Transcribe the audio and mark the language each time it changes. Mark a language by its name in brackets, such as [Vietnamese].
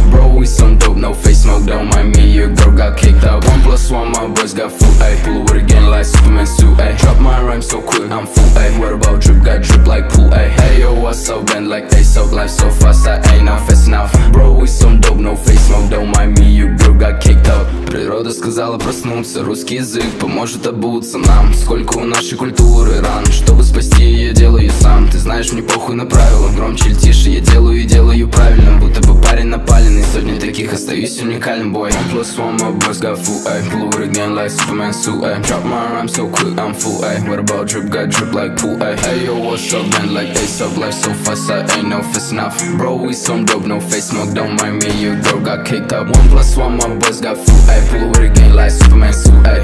[English] Bro, we some dope, no face smoke, don't mind me, your girl got kicked out. One plus one, my boys got full, ayy. Pull with a gang like Superman suit, ayy. Drop my rhyme so quick, I'm full, ayy. What about drip, got drip like pool, ayy. Ayo, what's up, bend like ace up, life so fast, I ain't no fast enough. Bro, we some dope, no face smoke, don't mind me, your girl got kicked out. [Russian] Природа сказала проснуться, русский язык поможет обуться нам. Сколько у нашей культуры ран, чтобы спасти ее, делаю сам. Ты знаешь, мне похуй на правила, громче или тише, я делаю и делаю правильно. Будто бы парень напаленный, сотни таких остаюсь уникальным, boy. [English] One plus one, my boys got full, ayy. Pull over again like Superman suit, ayy. Drop my rhyme so quick, I'm full, ayy. What about drip, got drip like pool, ayy. Ayo, what's up, man, like ace up, life so fast, I ain't no fast enough. Bro, we some dope, no face smoke, don't mind me, your girl got kicked up. One plus one, my boys got full, ayy. I pull over again like Superman suit, ayy.